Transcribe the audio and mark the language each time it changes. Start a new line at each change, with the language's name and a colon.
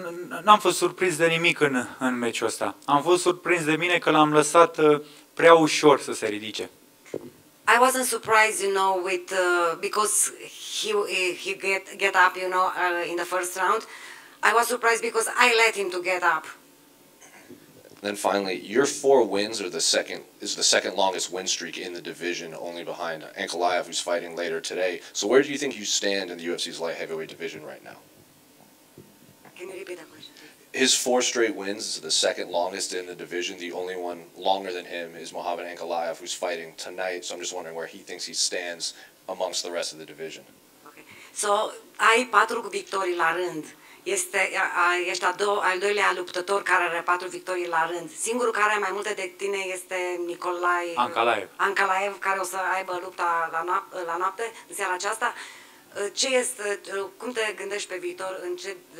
Romanian: N-am fost surprins de nimic în meciul ăsta. Am fost surprins de mine că l-am lăsat prea ușor să se ridice.
English: I wasn't surprised, you know, with because he get up, you know, in the first round. I was surprised because I let him to get up. Then finally, your four wins are the second longest win streak in the division, only behind Nicolae, who's fighting later today. So where do you think you stand in the UFC's light heavyweight division right now? Can you repeat that question? His four straight wins is the second longest in the division. The only one longer than him is Mohamed Ankalaev, who's fighting tonight. So I'm just wondering where he thinks he stands amongst the rest of the division.
Romanian: Okay. So ai patru victorii la rând. Ești al doilea luptător care are patru victorii la rând. Singurul care are mai multe de tine este Nicolae Ankalaev, care o să aibă lupta la noapte, în seara aceasta. Ce este, cum te gândești pe viitor, în ce...